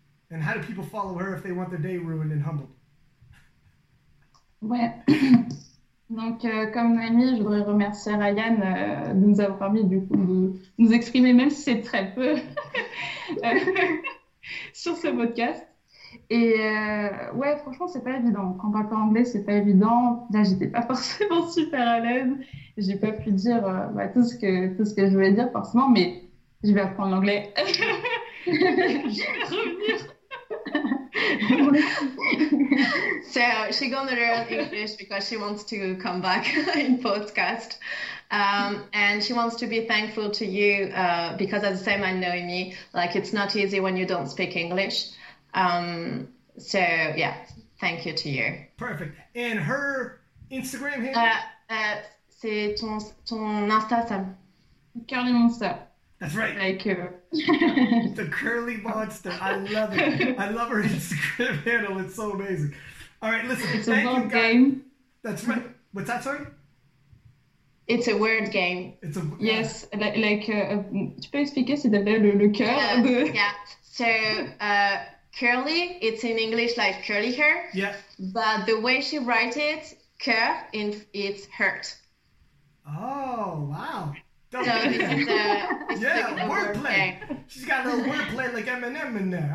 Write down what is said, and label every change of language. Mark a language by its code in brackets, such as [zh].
[en] And how do people follow her if they want their day ruined and humbled? [fr] Ouais. Donc, comme Noémie, je voudrais remercier Ryan de nous avoir permis du coup, de nous exprimer, même si c'est très peu, sur ce podcast. Et ouais, franchement, c'est pas évident. Quand on parle anglais, c'est pas évident. Là, j'étais pas forcément super à l'aise. J'ai pas pu dire tout ce que je voulais dire, forcément, mais je vais apprendre l'anglais. Je vais revenir. [en] So she's gonna learn English because she wants to come back in podcast, and she wants to be thankful to you because, as the same I know me, like it's not easy when you don't speak English. So yeah, thank you to you. Perfect. And her Instagram handle? [fr] C'est ton Insta, Sam. [en] Curly Monster. That's right. Thank you. The Curly Monster. I love it. I love her Instagram handle. It's so amazing. All right, listen. It's thank a word you, guys. Game. That's right. What's that, sorry? It's a word game. It's a yes. [fr] Tu peux expliquer s'il te plaît le cœur de. [en] Yeah. So curly, it's in English like curly hair. Yeah. But the way she writes it, cœur, it's hurt. Oh, wow. Don't so this is a, it's yeah, like a wordplay. Word She's got a little wordplay like Eminem in there.